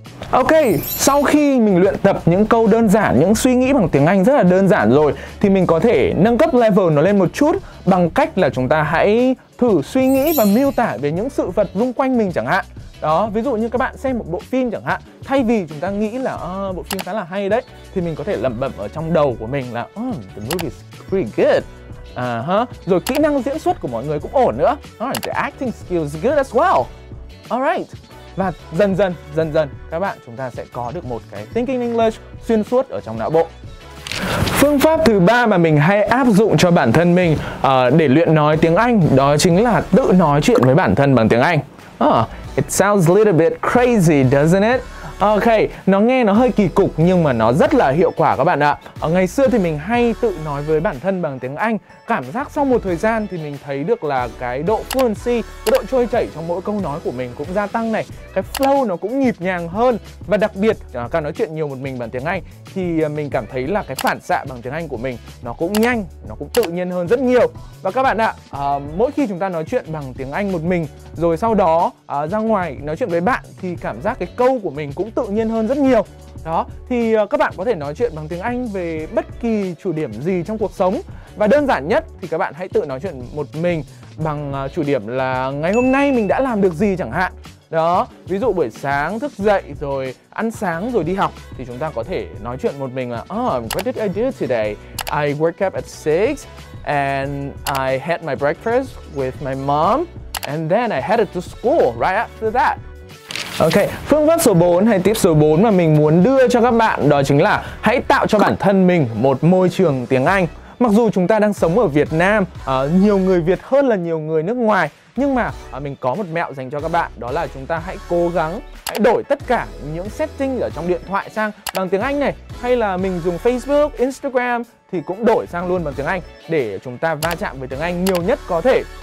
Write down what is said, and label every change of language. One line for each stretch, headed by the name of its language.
Vietnamese: Ok, sau khi mình luyện tập những câu đơn giản, những suy nghĩ bằng tiếng Anh rất là đơn giản rồi, thì mình có thể nâng cấp level nó lên một chút bằng cách là chúng ta hãy thử suy nghĩ và miêu tả về những sự vật xung quanh mình chẳng hạn. Đó, ví dụ như các bạn xem một bộ phim chẳng hạn, thay vì chúng ta nghĩ là bộ phim khá là hay đấy, thì mình có thể lẩm bẩm ở trong đầu của mình là
English: the movie is pretty good.
Vietnamese: Rồi kỹ năng diễn xuất của mọi người cũng ổn nữa.
English: The acting skills good as well. Alright.
Vietnamese: Và dần dần các bạn chúng ta sẽ có được một cái
English: thinking English
Vietnamese: xuyên suốt ở trong não bộ. Phương pháp thứ ba mà mình hay áp dụng cho bản thân mình để luyện nói tiếng Anh, đó chính là tự nói chuyện với bản thân bằng tiếng Anh.
English: It sounds a little bit crazy, doesn't it?
Vietnamese: Ok, nó nghe nó hơi kỳ cục nhưng mà nó rất là hiệu quả các bạn ạ. Ở ngày xưa thì mình hay tự nói với bản thân bằng tiếng Anh. Cảm giác sau một thời gian thì mình thấy được là cái độ fluency, cái độ trôi chảy trong mỗi câu nói của mình cũng gia tăng này. Cái flow nó cũng nhịp nhàng hơn. Và đặc biệt, càng nói chuyện nhiều một mình bằng tiếng Anh thì mình cảm thấy là cái phản xạ bằng tiếng Anh của mình nó cũng nhanh, nó cũng tự nhiên hơn rất nhiều. Và các bạn ạ, mỗi khi chúng ta nói chuyện bằng tiếng Anh một mình rồi sau đó ra ngoài nói chuyện với bạn thì cảm giác cái câu của mình cũng tự nhiên hơn rất nhiều. Đó, thì các bạn có thể nói chuyện bằng tiếng Anh về bất kỳ chủ điểm gì trong cuộc sống. Và đơn giản nhất thì các bạn hãy tự nói chuyện một mình bằng chủ điểm là ngày hôm nay mình đã làm được gì chẳng hạn. Đó, ví dụ buổi sáng thức dậy rồi ăn sáng rồi đi học, thì chúng ta có thể nói chuyện một mình là
English: what did I do today? I woke up at 6 and I had my breakfast with my mom and then I headed to school right after that.
Vietnamese: Ok, phương pháp số 4 hay tip số 4 mà mình muốn đưa cho các bạn đó chính là hãy tạo cho bản thân mình một môi trường tiếng Anh. Mặc dù chúng ta đang sống ở Việt Nam, nhiều người Việt hơn là nhiều người nước ngoài, nhưng mà mình có một mẹo dành cho các bạn, đó là chúng ta hãy cố gắng, hãy đổi tất cả những setting ở trong điện thoại sang bằng tiếng Anh này, hay là mình dùng Facebook, Instagram thì cũng đổi sang luôn bằng tiếng Anh để chúng ta va chạm với tiếng Anh nhiều nhất có thể.